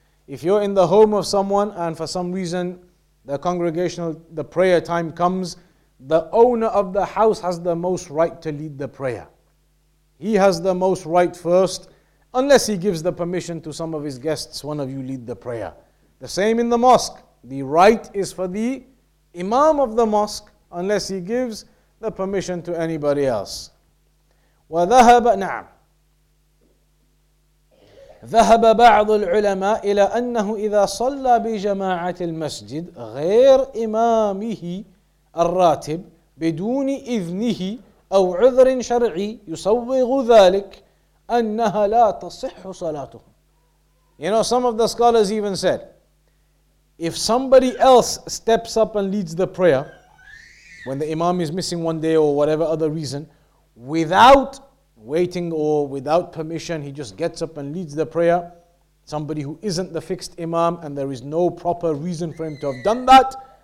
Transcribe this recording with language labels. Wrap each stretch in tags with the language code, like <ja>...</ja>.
<en>If you're in the home of someone and for some reason the congregational, the prayer time comes, the owner of the house has the most right to lead the prayer. He has the most right first, unless he gives the permission to some of his guests, one of you lead the prayer. The same in the mosque. The right is for the imam of the mosque, unless he gives the permission to anybody else.</en> <ar>وذهب نعم ذهب بعض العلماء إلى أنه إذا صلى بجماعة المسجد غير إمامه الراتب بدون إذنه أو عذر شرعي يصوغ ذلك أنها لا تصح صلاته.</ar> <en>You know, some of the scholars even said, if somebody else steps up and leads the prayer when the imam is missing one day or whatever other reason, without waiting or without permission, he just gets up and leads the prayer, somebody who isn't the fixed imam and there is no proper reason for him to have done that,</en>